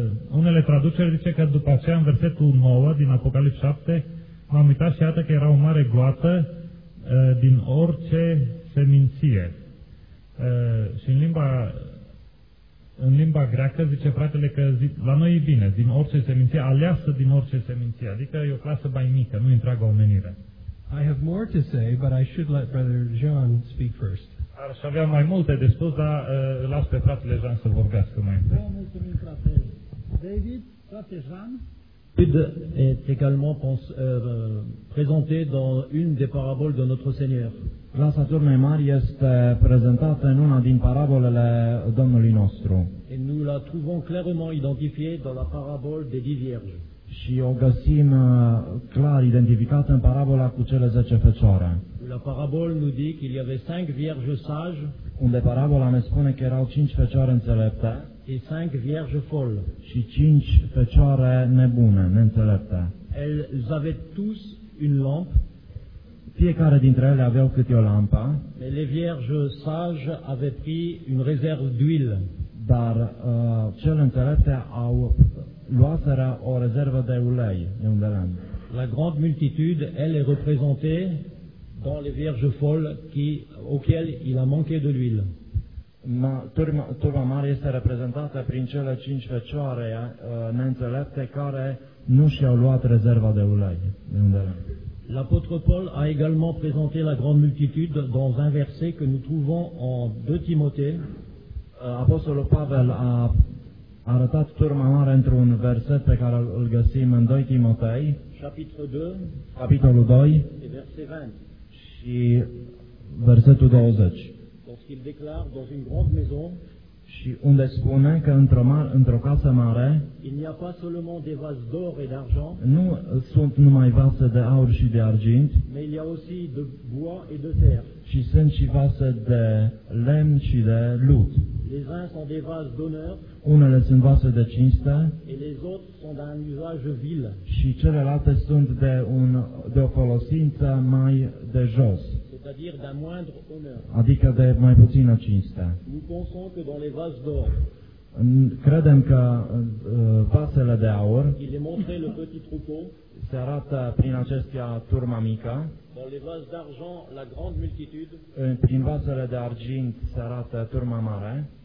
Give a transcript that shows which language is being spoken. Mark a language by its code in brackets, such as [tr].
[ro] Unele traduceri zice că după aceea, în versetul 9 din Apocalipsa 7, m-am uitat și iată că era o mare gloată din orice seminție. Și în limba greacă zice fratele că la noi e bine, din orice seminție, aleasă din orice seminție, adică e o clasă mai mică, nu întreaga omenire. [en] I have more to say, but I should let Brother John speak first. [ro] Aș avea mai multe de spus, dar îl las pe fratele Jean să vorbească mai întâi. Mulțumim, fratele David, frate Jean. [fr] Jude est également présenté dans une des paraboles de notre Seigneur. [ro] Clasa turmei mari este prezentată în una din parabolele Domnului nostru. [fr] Et nous la trouvons clairement identifiée dans la parabole des 10 vierges. [ro] Și o găsim clar identificată în parabola cu cele 10 fecioare. [fr] La parabole nous dit qu'il y avait 5 vierges sages. [ro] Unde parabola ne spune că erau 5 fecioare înțelepte. [fr] Et 5 vierges folles. [ro] Și 5 fecioare nebune, neînțelepte. [fr] Elles avaient tous une lampe. [ro] Fiecare dintre ele aveau câte o lampă. [fr] Mais les vierges sages avaient pris une réserve d'huile. [ro] Dar cele înțelepte au luaseră o rezervă de ulei, de unde l-am. [fr] La grande multitude, elle est représentée dans les vierges folles auxquelles il a manqué de l'huile. [ro] Turma mare este reprezentată prin cele 5 fecioare neînțelepte care nu și-au luat rezerva de ulei. [fr] L'apôtre Paul a également présenté la grande multitude dans un verset que nous trouvons en 2 Timothée. [ro] Apostolul Pavel a arătat turma mare într-un verset pe care îl găsim în 2 Timotei, capitolul 2, și versetul 20. [fr] Lorsqu'il déclare dans une grande maison, [ro] și unde spune că într-o casă mare, [fr] il n'y a pas seulement des vases d'or et d'argent, [ro] nu sunt numai vase de aur și de argint, [fr] mais il y a aussi de bois et de terre. [ro] Și sunt și vase de lemn și de lut. [fr] Les uns sont des vases d'honneur, [ro] unele sunt vase de cinste, [fr] et les autres sont d'un usage vil. [ro] Și celelalte sunt de o folosință mai de jos. [fr] C'est-à-dire d'un moindre honneur. [ro] Adică de mai puțină cinste. [fr] Nous pensons que dans les vases d'or, [ro] credem că vasele de aur, [fr] il est montré le petit troupeau, [ro] se arată prin acestea turma mică, [fr] dans les vases d'argent, la grande multitude, [ro] prin vasele de argint se arată turma mare,